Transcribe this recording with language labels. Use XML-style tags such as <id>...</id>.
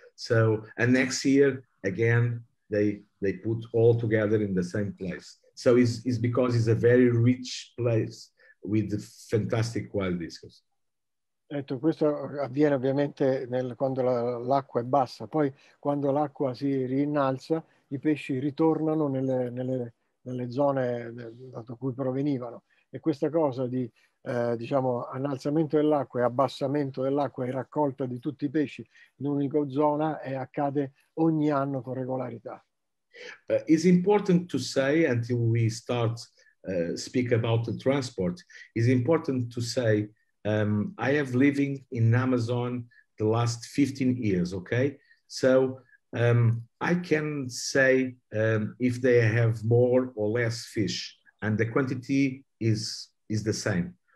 <en>So and next year again they put all together in the same place. So it's because it's a very rich place with fantastic wild discos.</en> <it>Ecco, questo avviene ovviamente quando l'acqua è bassa, poi quando l'acqua si rinalza i pesci ritornano nelle zone da cui provenivano e questa cosa di diciamo innalzamento dell'acqua e abbassamento dell'acqua e raccolta di tutti i pesci in un'unica zona e accade ogni anno con regolarità.</it> <en>It's important to say until we start speak about the transport, it's important to say I have living in Amazon the last 15 years, okay? So I can say if they have more or less fish and the quantity is the same.</en>